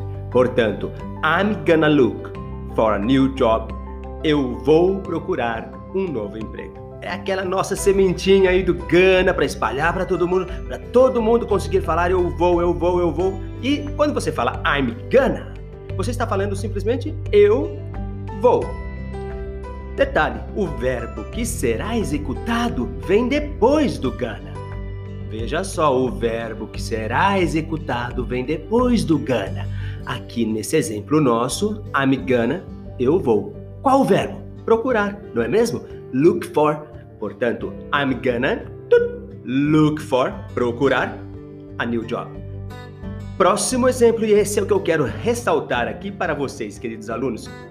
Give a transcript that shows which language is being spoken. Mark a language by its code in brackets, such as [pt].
[pt] Portanto, [en] I'm gonna look for a new job. [pt] Eu vou procurar um novo emprego. É aquela nossa sementinha aí do gana para espalhar para todo mundo conseguir falar eu vou. E quando você fala [en] I'm gonna, [pt] você está falando simplesmente eu vou. Detalhe, o verbo que será executado vem depois do gonna. Veja só, o verbo que será executado vem depois do gonna. Aqui nesse exemplo nosso, [en] I'm gonna, [pt] eu vou. Qual o verbo? Procurar, não é mesmo? [en] Look for. [pt] Portanto, [en] I'm gonna look for, [pt] procurar, [en] a new job. [pt] Próximo exemplo, e esse é o que eu quero ressaltar aqui para vocês, queridos alunos.